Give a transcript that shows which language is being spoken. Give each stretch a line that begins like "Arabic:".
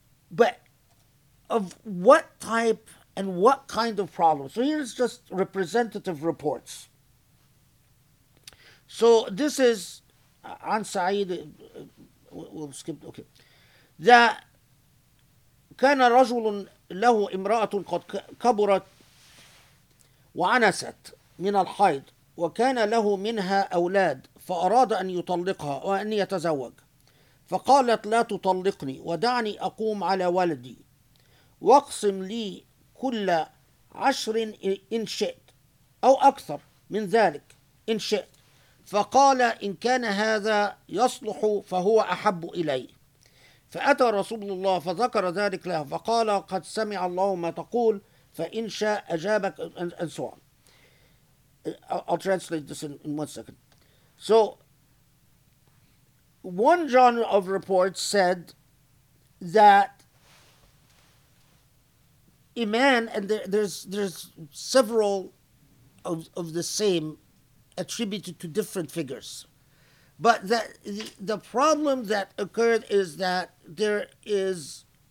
English: But of what type and what kind of problem? So here's just representative reports. So this is on Saeed, we'll skip, okay. That
Arabic: كان رجل له امرأة قد كبرت وعنست من الحيض وكان له منها أولاد فأراد أن يطلقها وأن يتزوج فقالت لا تطلقني ودعني أقوم على ولدي واقسم لي كل 10 إن شئت أو أكثر من ذلك إن شئت فقال إن كان هذا يصلح فهو أحب إلي فأتى رسول الله فذكر ذلك له فقال قد سمع الله ما تقول فإن شاء أجابك
English: and so on. I'll translate this in 1 second. So, one genre of reports said that a man, and there's several of the same attributed to different figures, but that the problem that occurred is that there is